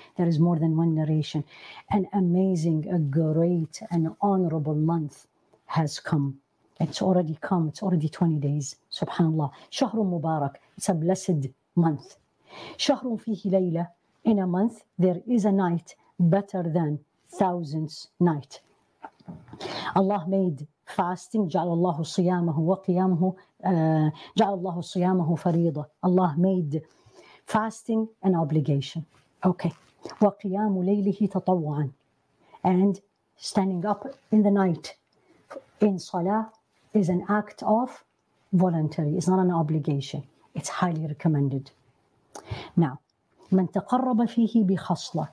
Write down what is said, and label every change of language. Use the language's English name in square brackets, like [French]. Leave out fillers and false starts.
[English] There is more than one narration. An amazing, a great, an honorable month has come. It's already come. It's already 20 days. Subhanallah. [Arabic] شَهْرٌ مُبَارَك. [English] It's a blessed month. [Arabic] شَهْرٌ فِيهِ لَيْلَةٌ. [English] In a month, there is a night better than thousands night. Allah made fasting, [Arabic] جَعَلَ اللَّهُ صِيَامَهُ وَقِيَامَهُ جَعَلَ اللَّهُ صِيَامَهُ فَرِيضًا. [English] Allah made fasting an obligation. [Arabic] Okay. وَقِيَامُ لَيْلِهِ تَطَوَّعًا. [English] And standing up in the night in salah is an act of voluntary. It's not an obligation. It's highly recommended. [Arabic] Now, مَنْ تَقَرَّبَ فِيهِ بِخَصْلَةٍ.